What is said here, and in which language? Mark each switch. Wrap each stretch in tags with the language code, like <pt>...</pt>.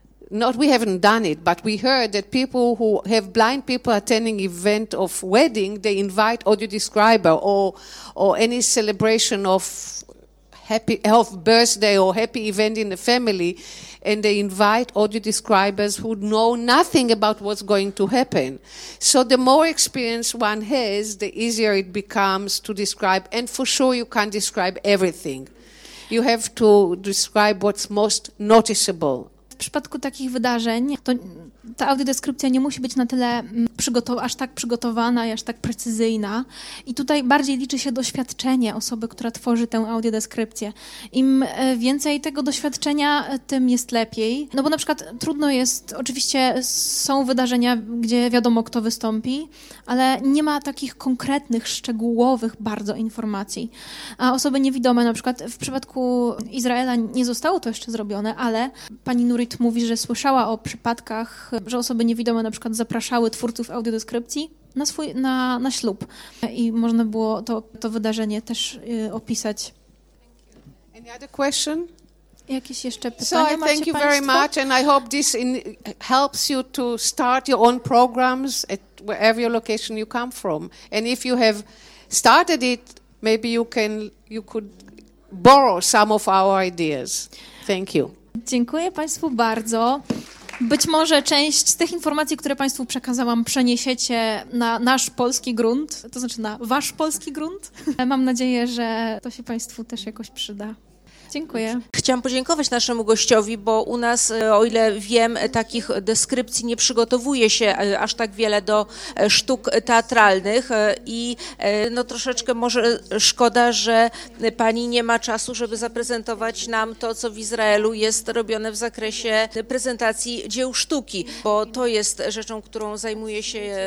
<en>Not we haven't done it, but we heard that people who have blind people attending event of wedding, they invite audio describer or any celebration of happy of birthday or happy event in the family, and they invite audio describers who know nothing about what's going to happen. So the more experience one has, the easier it becomes to describe. And for sure, you can't describe everything. You have to describe what's most noticeable.</en> <pl>W przypadku takich wydarzeń, to ta audiodeskrypcja nie musi być na tyle aż tak przygotowana i aż tak precyzyjna. I tutaj bardziej liczy się doświadczenie osoby, która tworzy tę audiodeskrypcję. Im więcej tego doświadczenia, tym jest lepiej. No bo na przykład trudno jest, oczywiście są wydarzenia, gdzie wiadomo, kto wystąpi, ale nie ma takich konkretnych, szczegółowych bardzo informacji. A osoby niewidome, na przykład w przypadku Izraela nie zostało to jeszcze zrobione, ale pani Nurit mówi, że słyszała o przypadkach, że osoby niewidome na przykład zapraszały twórców audiodeskrypcji na ślub. I można było to wydarzenie też opisać.</pl> <en>Any other question?</en> <pl>Jakieś jeszcze pytania macie państwo?</pl> <en>So I thank you very much and I hope this helps you to start your own programs at wherever your location you come from. And if you have started it, maybe you could borrow some of our ideas. Thank you.</en> <pl>Dziękuję państwu bardzo. Być może część z tych informacji, które państwu przekazałam, przeniesiecie na nasz polski grunt, to znaczy na wasz polski grunt. Mam nadzieję, że to się państwu też jakoś przyda. Dziękuję. Chciałam podziękować naszemu gościowi, bo u nas, o ile wiem, takich deskrypcji nie przygotowuje się aż tak wiele do sztuk teatralnych i no troszeczkę może szkoda, że pani nie ma czasu, żeby zaprezentować nam to, co w Izraelu jest robione w zakresie prezentacji dzieł sztuki, bo to jest rzeczą, którą zajmuję się</pl>